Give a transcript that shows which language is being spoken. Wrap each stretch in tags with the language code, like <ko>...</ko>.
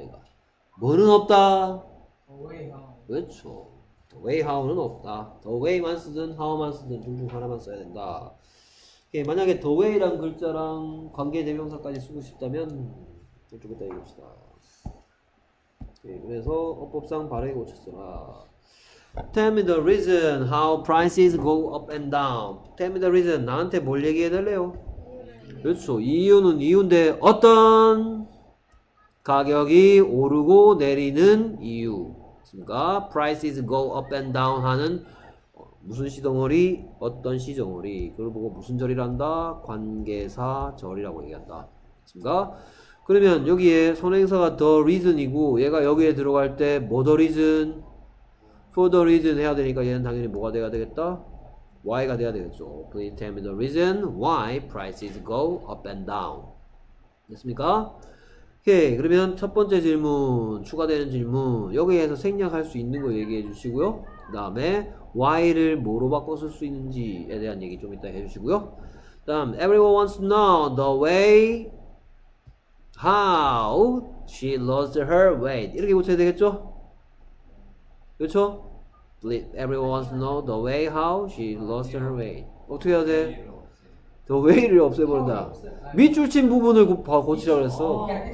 <ko>얘가 뭐는 없다. 그렇죠. The way how 는 없다. The way만 쓰든 how만 쓰든 둘중 하나만 써야 된다. 예, 만약에 the way란 글자랑 관계 대명사까지 쓰고 싶다면 이쪽에다 읽읍시다. 예, 그래서 어법상 바르게 고쳤어라.</ko> <en>Tell me the reason how prices go up and down. Tell me the reason.</en> <ko>나한테 뭘 얘기해 달래요? 그렇죠. 이유는 이유인데 어떤 가격이 오르고 내리는 이유. 맞습니까?</ko> <en>Prices go up and down</en> <ko>하는 무슨 시동어리? 어떤 시동어리? 그걸 보고 무슨 절이란다? 관계사 절이라고 얘기한다. 맞습니까? 그러면 여기에 선행사가 the reason이고 얘가 여기에 들어갈 때뭐 the reason?</ko> <en>For the reason</en> <ko>해야 되니까 얘는 당연히 뭐가 돼야 되겠다? Why가 돼야 되겠죠.</ko> <en>Please tell me the reason why prices go up and down.</en> <ko>됐습니까? 오케이. 그러면 첫 번째 질문, 추가되는 질문. 여기에서 생략할 수 있는 거 얘기해 주시고요. 그다음에 why를 뭐로 바꿔 쓸수 있는지에 대한 얘기 좀 이따 해 주시고요. 그다음</ko> <en>everyone wants to know the way how she lost her weight.</en> <ko>이렇게 고쳐야 되겠죠? 그렇죠?</ko> <en>Everyone wants to know the way how she lost her weight.</en> <ko>어떻게 해야 돼? The way를 없애버린다. 밑줄 친 부분을 고치라고 그랬어.</ko>